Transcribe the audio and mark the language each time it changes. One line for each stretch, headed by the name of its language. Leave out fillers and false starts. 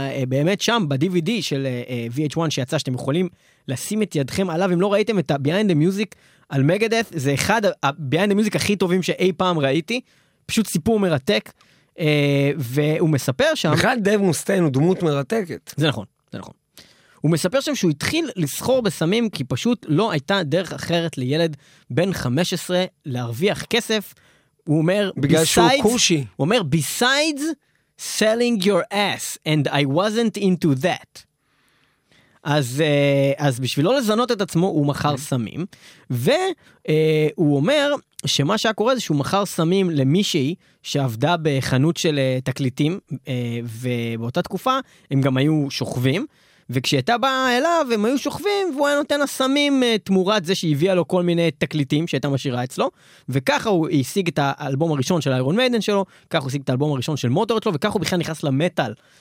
Hebrew: באמת שם, בדיווידי של VH1 שיצא, שאתם יכולים לשים את ידכם עליו, אם לא ראיתם את ה-Behind the Music על Megadeth, זה אחד ה-Behind the Music הכי טובים שאי פעם ראיתי, פשוט סיפור מרתק, והוא מספר שם... בכלל דייב מוסטיין הוא דמות מרתקת. זה נכון, זה נכון. הוא מספר שם שהוא התחיל לסחור בסמים, כי פשוט לא הייתה דרך אחרת לילד בן 15 להרוויח כסף, הוא אומר... בגלל שהוא קושי. הוא אומר,
English: besides... selling your ass and I wasn't into that.
Hebrew: אז בשביל לא לזנות את עצמו הוא מכר סמים, והוא אומר שמה שהיה קורה זה שהוא מכר סמים למישהי שעבדה בחנות של תקליטים, ובאותה תקופה הם גם היו שוכבים, וכשהייתה באה אליו הם היו שוכבים, והוא היה נותן הסמים תמורת זה שהביאה לו כל מיני תקליטים שהייתה משאירה אצלו, וככה הוא השיג את האלבום הראשון של איירון מיידן שלו, ככה הוא השיג את האלבום הראשון של מוטורד שלו, וככה הוא בכלל נכנס למטל.